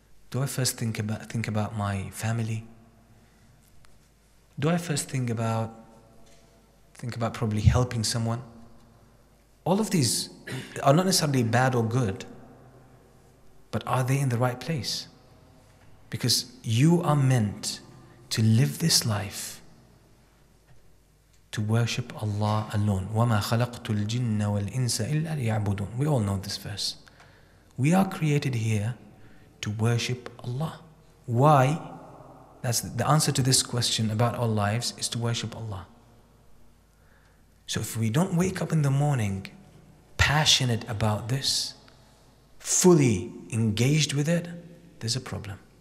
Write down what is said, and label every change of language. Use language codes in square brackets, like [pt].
[en] Do I first think about my family? Do I first think about probably helping someone? All of these are not necessarily bad or good, but are they in the right place? Because you are meant to live this life to worship Allah alone. [ar] وَمَا خَلَقْتُ الْجِنَّ وَالْإِنسَ إِلَّا لِيَعْبُدُونَ [en] We all know this verse. We are created here to worship Allah. Why? That's the answer to this question about our lives is to worship Allah. So if we don't wake up in the morning passionate about this, fully engaged with it, there's a problem.